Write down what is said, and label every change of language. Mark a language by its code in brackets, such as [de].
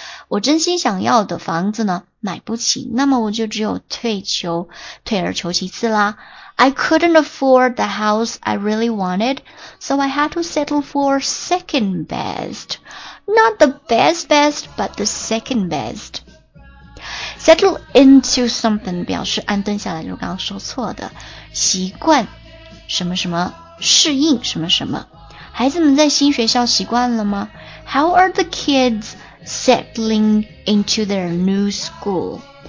[zh] 我真心想要的房子呢买不起，那么我就只有退而求其次啦。 [en] I couldn't afford the house I really wanted, so I had to settle for second best. Not the best, but the second best. Settle into something [zh] 表示安顿下来，就刚刚说错的，习惯什么什么，适应什么什么。孩子们在新学校习惯了吗？ [en] How are the kids settling into their new school?